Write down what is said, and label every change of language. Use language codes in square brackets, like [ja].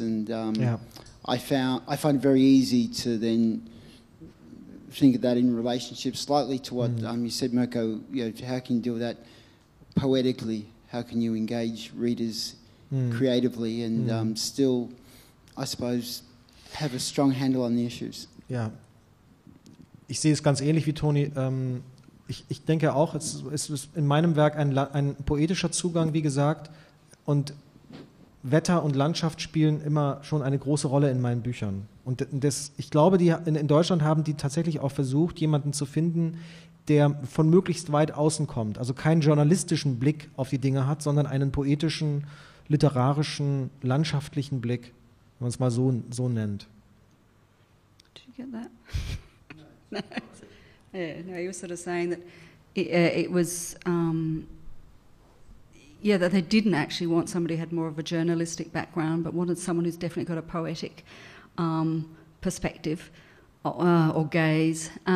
[en] And I find it very easy to then think of that in relationship slightly to what you said, Mirko. You know, how can you deal with that poetically? How can you engage readers creatively and still, I suppose, have a strong handle on the issues? [de] Yeah. Ich sehe es ganz ähnlich wie Toni. Ich denke auch, es ist in meinem Werk ein poetischer Zugang, wie gesagt. Und Wetter und Landschaft spielen immer schon eine große Rolle in meinen Büchern. Und das, ich glaube, in Deutschland haben die tatsächlich auch versucht, jemanden zu finden, der von möglichst weit außen kommt. Also keinen journalistischen Blick auf die Dinge hat, sondern einen poetischen, literarischen, landschaftlichen Blick, wenn man es mal so nennt. [en] Did you get that? No, you were sort of saying that that they didn't actually want somebody who had more of a journalistic background, but wanted someone who's definitely got a poetic perspective or gaze.